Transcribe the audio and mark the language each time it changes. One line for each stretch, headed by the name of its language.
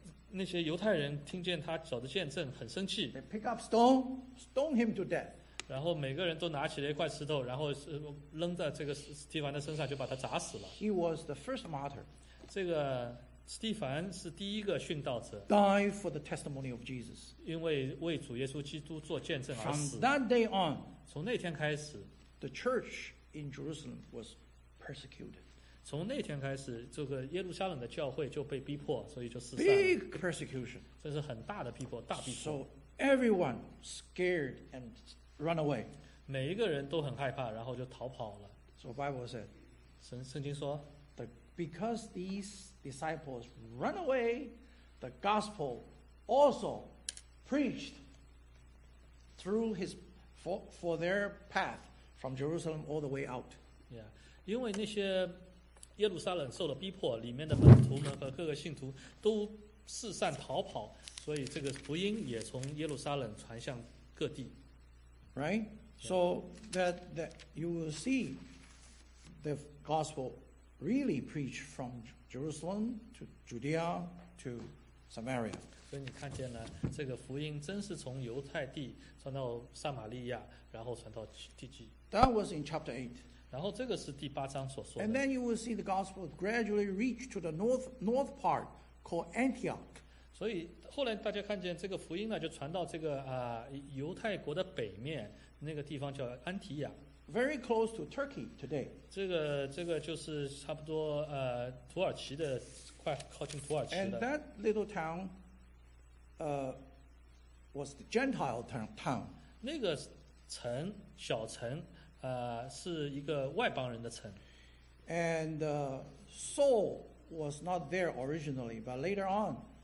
Chinese: 那些犹太人听见他走的见证很生气。
English: They pick up stone, stone him to death.
Chinese: 然后每个人都拿起了一块石头，然后扔在这个斯蒂凡的身上，就把他砸死了。
English: He was the first martyr.
Chinese: 这个斯蒂凡是第一个殉道者。
English: Die for the testimony of Jesus.
Chinese: 因为为主耶稣基督做见证而死。
English: From that day on,
Chinese: 从那天开始
English: ，the church in Jerusalem was persecuted.
Chinese: 从那天开始，这个耶路撒冷的教会就被逼迫，所以就四散。
English: Big persecution.
Chinese: 这是很大的逼迫，大逼迫。
English: So everyone scared and Run away.
Chinese: 每一个人都很害怕，然后就逃跑了。
English: So Bible said,
Chinese: 圣经说
English: because these disciples run away, the gospel also preached through his for their path from Jerusalem all the way out.
Chinese: Yeah, 因为那些耶路撒冷受了逼迫，里面的门徒们和各个信徒都四散逃跑，所以这个福音也从耶路撒冷传向各地。
English: Right, so that you will see the gospel really preached from Jerusalem to Judea to Samaria.
Chinese: 所以你看见了这个福音真是从犹太地传到撒玛利亚，然后传到地极。
English: That was in chapter 8.
Chinese: 然后这个是第八章所说的。
English: And then you will see the gospel gradually reach to the north part called Antioch.
Chinese: 所以后来大家看见这个福音呢，就传到这个犹太国的北面那个地方叫安提亚
English: ，very close to Turkey today。
Chinese: 这个就是差不多土耳其的快靠近土耳其的。
English: And that little town, was the Gentile town.
Chinese: 那个城小城是一个外邦人的城。
English: And Saul was not there originally, but later on.